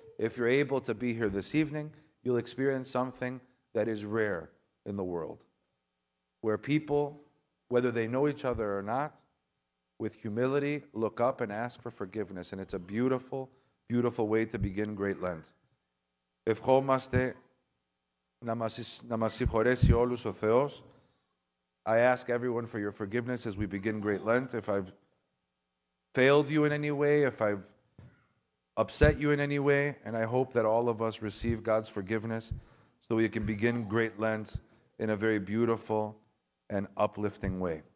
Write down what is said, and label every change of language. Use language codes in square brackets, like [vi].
[en] If you're able to be here this evening, you'll experience something that is rare in the world, where people, whether they know each other or not, with humility, look up and ask for forgiveness. And it's a beautiful, beautiful way to begin Great Lent. [el] Ευχόμαστε να μας συγχωρέσει όλους ο Θεός. [en] I ask everyone for your forgiveness as we begin Great Lent. If I've failed you in any way, if I've upset you in any way, and I hope that all of us receive God's forgiveness so we can begin Great Lent in a very beautiful and uplifting way.